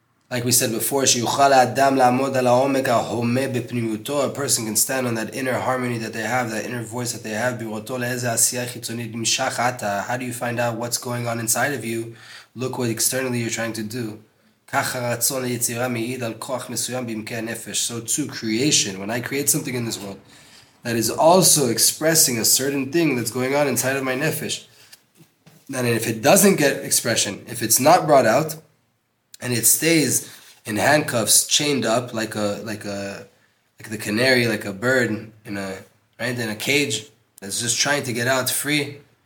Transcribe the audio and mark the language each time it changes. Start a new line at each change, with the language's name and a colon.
English: Like we said before,
Hebrew: שיוכל האדם לעמוד על העומק ההומה בפנימותו,
English: a person can stand on that inner harmony that they have, that inner voice that they have,
Hebrew: בראותו לאיזה עשייה חיצונית נמשך אתה,
English: how do you find out what's going on inside of you? Look what externally you're trying to do.
Hebrew: כך הרצון היצירה מעיד על כוח מסוים בעמקי הנפש.
English: So too, creation, when I create something in this world, that is also expressing a certain thing that's going on inside of my nefesh. And if it doesn't get expression, if it's not brought out, and it stays in handcuffs, chained up like the canary, like a bird in a right in a cage that's just trying to get out free.